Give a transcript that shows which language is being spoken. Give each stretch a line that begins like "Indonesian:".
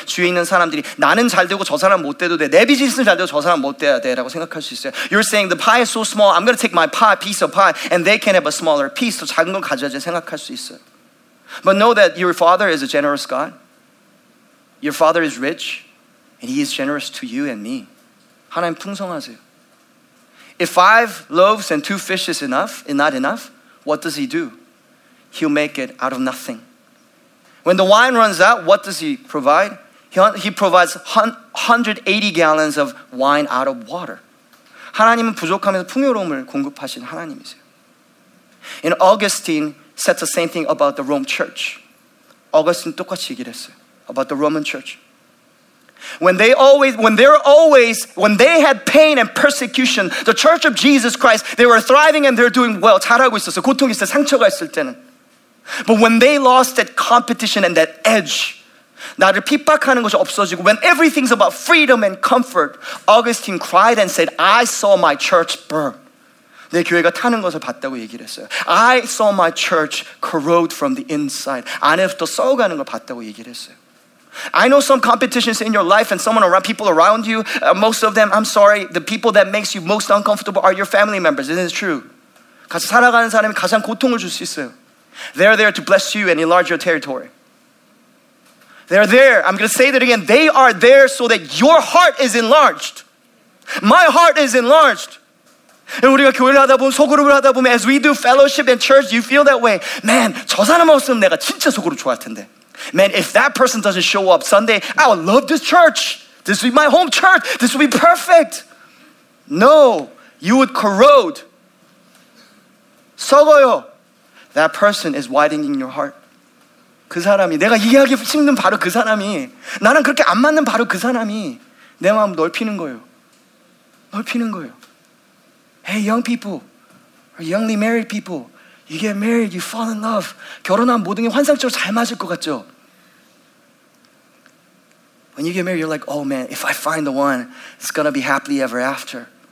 Korean: 주위에 있는 사람들이 나는 잘 되고 저 사람 못 돼도 돼. 내 비즈니스는 잘 되고 저 사람 못 돼야 돼라고 생각할 수 있어요.
English: You're saying the pie is so small. I'm going to take my pie, piece of pie and they can have a smaller piece.
Korean: 더 작은 걸 가져야지 생각할 수 있어요.
English: But know that your father is a generous God. Your father is rich and he is generous to you and me.
Korean: 하나님 풍성하세요.
English: If 5 loaves and 2 fish is enough, is not enough, what does he do? He'll make it out of nothing. When the wine runs out, what does he provide? He provides 180 gallons of wine out of water.
Korean: 하나님은 부족하면서 풍요로움을 공급하신 하나님이세요.
English: And Augustine said the same thing about the Rome church. Augustine
Korean: 똑같이 얘기를 했어요.
English: About the Roman church. When they had pain and persecution, the church of Jesus Christ, they were thriving and they're doing well.
Korean: 잘하고 있었어. 고통이 있어. 상처가 있을 때는.
English: But when they lost that competition and that edge,
Korean: 나를 핍박하는 것이 없어지고,
English: when everything's about freedom and comfort, Augustine cried and said, I saw my church burn.
Korean: 내 교회가 타는 것을 봤다고 얘기를 했어요.
English: I saw my church corrode from the inside.
Korean: 안에서부터 썩어가는 걸 봤다고 얘기를 했어요.
English: I know some competitions in your life and someone around, people around you, most of them, I'm sorry, the people that makes you most uncomfortable are your family members. Isn't it true?
Korean: 같이 살아가는 사람이 가장 고통을 줄 수 있어요.
English: They're there to bless you and enlarge your territory. They're there. I'm going to say that again. They are there so that your heart is enlarged. My heart is enlarged.
Korean: And 우리가 교회를 하다 보면, 소그룹을 하다 보면,
English: as we do fellowship and church, you feel that way.
Korean: Man, 저 사람 없으면 내가 진짜 소그룹 좋아할 텐데.
English: Man, if that person doesn't show up Sunday, I would love this church. This would be my home church. This would be perfect. No, you would corrode.
Korean: 썩어요.
English: That person is widening your heart.
Korean: 그 사람이, 내가 이해하기 힘든 바로 그 사람이, 나랑 그렇게 안 맞는 바로 그 사람이 내 마음 넓히는 거예요. 넓히는 거예요.
English: Hey, young people, or youngly married people, you get married, you fall in love.
Korean: 결혼하면 모든 게 환상적으로 잘 맞을 것 같죠?
English: When you get married, you're like, oh man, if I find the one, it's going to be happily ever after.